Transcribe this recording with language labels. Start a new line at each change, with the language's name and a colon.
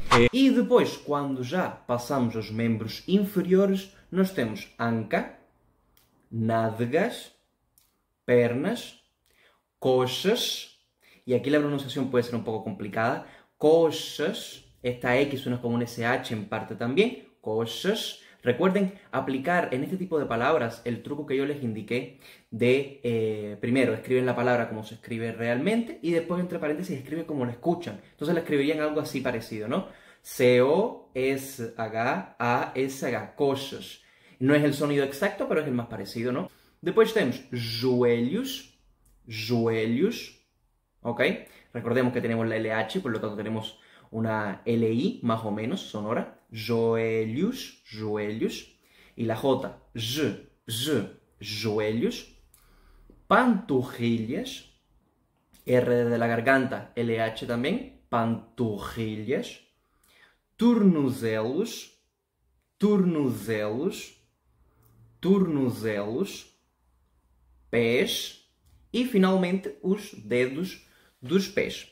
Portuguese: E depois, quando já passamos aos membros inferiores, nós temos anca, nádegas, pernas, coxas, e aqui a pronunciação pode ser um pouco complicada, coxas, esta X
Spanish: suena
Portuguese: como um SH em parte também, coxas.
Spanish: Recuerden aplicar en este tipo de palabras el truco que yo les indiqué de primero escriben la palabra como se escribe realmente y después entre paréntesis escriben como la escuchan. Entonces la escribirían algo así parecido, ¿no? C-O-S-H-A-S-H, coxas. No es el sonido exacto, pero es el más parecido, ¿no? Después tenemos joelhos, joelhos, ¿ok? Recordemos que tenemos la LH, por lo tanto tenemos una LI más o menos sonora.
Portuguese: Joelhos, joelhos, e la J, j, j, joelhos, panturrilhas,
Spanish: R de la garganta,
Portuguese: LH também, panturrilhas, tornozelos, tornozelos, tornozelos, pés, e finalmente os dedos dos pés.